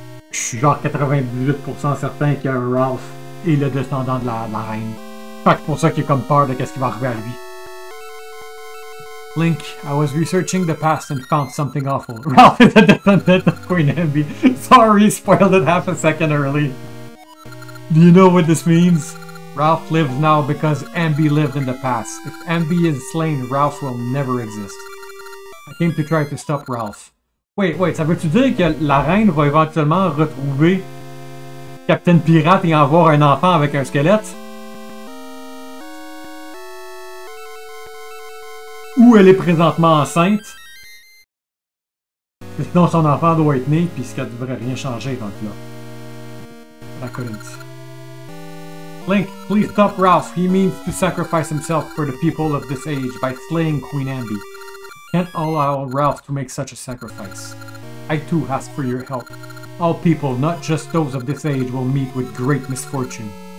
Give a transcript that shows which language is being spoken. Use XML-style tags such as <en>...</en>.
<fr>Je suis genre 98% certain que Ralph est le descendant de la reine. Fait que pour ça qu'il a comme peur de qu'est-ce qui va arriver à lui.</fr> <en>Link, I was researching the past and found something awful. Ralph is a descendant of Queen Ambi. Sorry, spoiled it half a second early. Do you know what this means? Ralph lives now because Ambi lived in the past. If Ambi is slain, Ralph will never exist. I came to try to stop Ralph.</en> <fr>Wait, ça veut-tu dire que la reine va éventuellement retrouver Captain Pirate et avoir un enfant avec un squelette? Où elle est présentement enceinte. Sinon, son enfant doit être né, puis ça devrait rien changer dans le plat.</fr> <en>Link, please stop Ralph. He means to sacrifice himself for the people of this age by slaying Queen Ambi. Can't allow Ralph to make such a sacrifice. I too ask for your help. All people, not just those of this age, will meet with great misfortune.</en>